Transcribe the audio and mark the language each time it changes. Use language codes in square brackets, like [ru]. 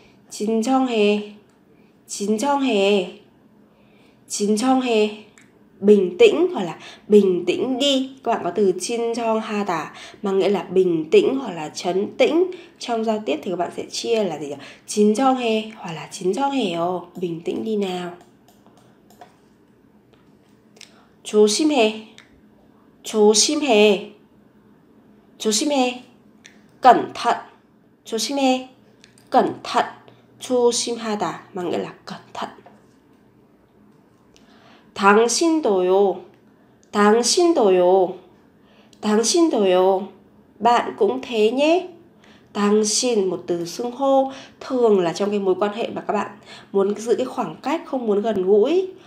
[ko] 진정해, 진정해, 진정해. [vi] Bình tĩnh hoặc là bình tĩnh đi. Các bạn có từ 진정하다 mà nghĩa là bình tĩnh hoặc là trấn tĩnh trong giao tiếp thì các bạn sẽ chia là gì nhỉ? [ko] 진정해 [vi] hoặc là [ko] 진정해요. [vi] Bình tĩnh đi nào. [ko] 조심해, 조심해, 조심해, 조심해, 조심해, 조심해, 조심하다, 망가라, 조심해. 당신도요, 당신도요, 당신도요, [vi] bạn cũng thế nhé. 당신, một từ xưng hô, thường là trong cái mối quan hệ mà các bạn muốn giữ cái khoảng cách, không muốn gần gũi.